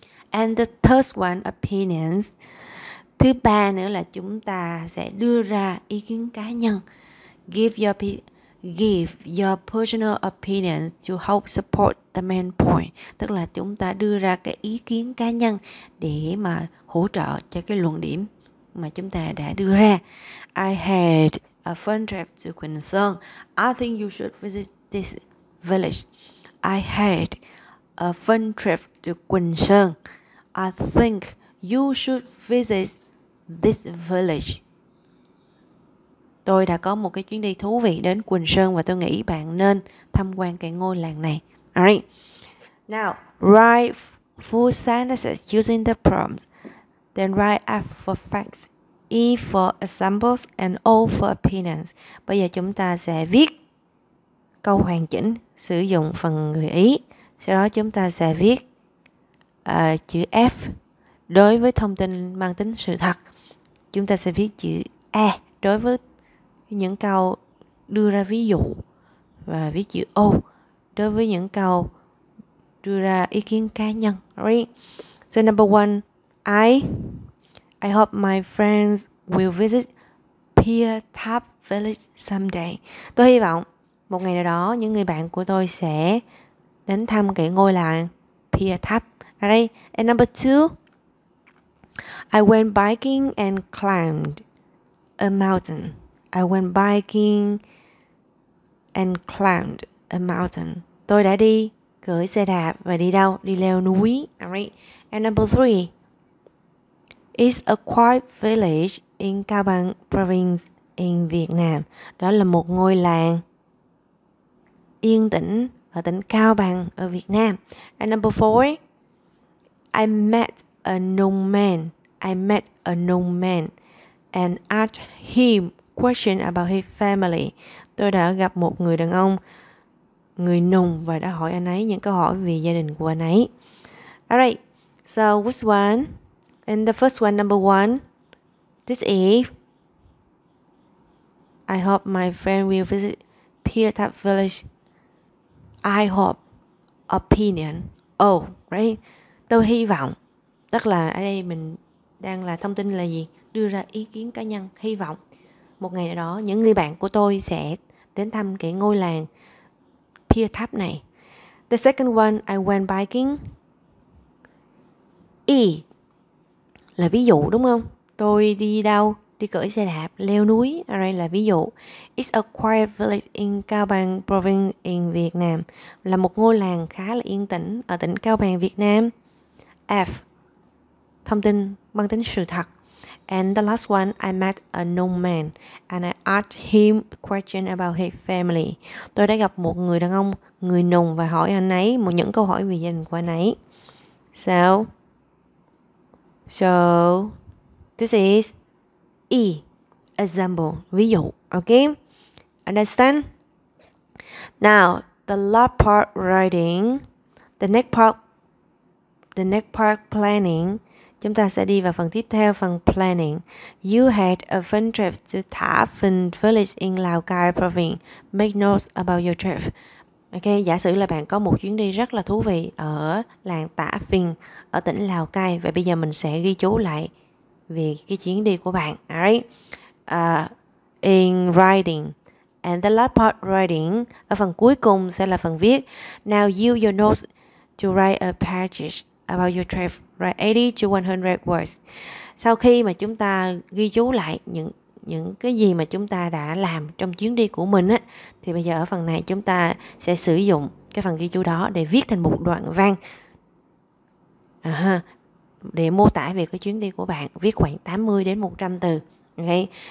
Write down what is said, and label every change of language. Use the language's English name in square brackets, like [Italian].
[English] And the third one, opinions. [Vietnamese] Thứ ba nữa là chúng ta sẽ đưa ra ý kiến cá nhân. [English] Give your personal opinion to help support the main point. [Vietnamese] Tức là chúng ta đưa ra cái ý kiến cá nhân để mà hỗ trợ cho cái luận điểm mà chúng ta đã đưa ra. [English] I had a fun trip to Quỳnh Sơn. I think you should visit this village. I had a fun trip to Quỳnh Sơn. I think you should visit this village. [Vietnamese] Tôi đã có một cái chuyến đi thú vị đến Quỳnh Sơn và tôi nghĩ bạn nên tham quan cái ngôi làng này. [English] Alright. Now, write full sentences using the prompts. Then write F for facts, E for examples, and O for opinions. [Vietnamese] Bây giờ chúng ta sẽ viết câu hoàn chỉnh sử dụng phần người ý. Sau đó chúng ta sẽ viết chữ F đối với thông tin mang tính sự thật. Chúng ta sẽ viết chữ E đối với những câu đưa ra ví dụ. Và viết chữ O đối với những câu đưa ra ý kiến cá nhân. [English] Right? So number one. I hope my friends will visit Pier Tap Village someday. [Vietnamese] Tôi hy vọng một ngày nào đó những người bạn của tôi sẽ đến thăm cái ngôi làng Pier Tap. [English] Okay. And number two, I went biking and climbed a mountain. I went biking and climbed a mountain. [Vietnamese] Tôi đã đi cưỡi xe đạp và đi đâu? Đi leo núi. [English] Alright. And number three. It's a quiet village in Cao Bằng province in Vietnam. [Vietnamese] Đó là một ngôi làng yên tĩnh ở tỉnh Cao Bằng ở Việt Nam. [English] And number four, I met a known man and asked him question about his family. [Vietnamese] Tôi đã gặp một người đàn ông, người nùng, và đã hỏi anh ấy những câu hỏi về gia đình của anh ấy. [English] Alright, so which one? And the first one, number one, this is, I hope my friend will visit Pier Tap Village. I hope, opinion, oh, right? [Vietnamese] Tôi hy vọng, tức là ở đây mình đang là thông tin là gì? Đưa ra ý kiến cá nhân, hy vọng một ngày nào đó những người bạn của tôi sẽ đến thăm cái ngôi làng Pier Tap này. [English] The second one, I went biking. [Vietnamese] E là ví dụ đúng không? Tôi đi đâu? Đi cưỡi xe đạp, leo núi. Alright, là ví dụ. [English] It's a quiet village in Cao Bằng province in Vietnam. [Vietnamese] Là một ngôi làng khá là yên tĩnh ở tỉnh Cao Bằng, Việt Nam. F. Thông tin mang tính sự thật. [English] And the last one, I met a known man and I asked him question about his family. [Vietnamese] Tôi đã gặp một người đàn ông, người nùng, và hỏi anh ấy một những câu hỏi về gia đình của anh ấy. [English] So, this is E, example, ví dụ, okay? Understand? Now, the last part writing, the next part planning, [Vietnamese] Chúng ta sẽ đi vào phần tiếp theo, phần planning. [English] You had a fun trip to Tha Phinh Village in Lao Cai Province. Make notes about your trip. [Vietnamese] Ok, giả sử là bạn có một chuyến đi rất là thú vị ở làng Tha Phinh ở tỉnh Lào Cai. Vậy bây giờ mình sẽ ghi chú lại về cái chuyến đi của bạn. Alright. [English] In writing. And the last part writing, [Vietnamese] ở phần cuối cùng sẽ là phần viết. [English] Now use your notes to write a passage about your trip. Write 80 to 100 words. [Vietnamese] Sau khi mà chúng ta ghi chú lại những cái gì mà chúng ta đã làm trong chuyến đi của mình á, thì bây giờ ở phần này chúng ta sẽ sử dụng cái phần ghi chú đó để viết thành một đoạn văn. Để mô tả về cái chuyến đi của bạn, viết khoảng 80 đến 100 từ. Okay.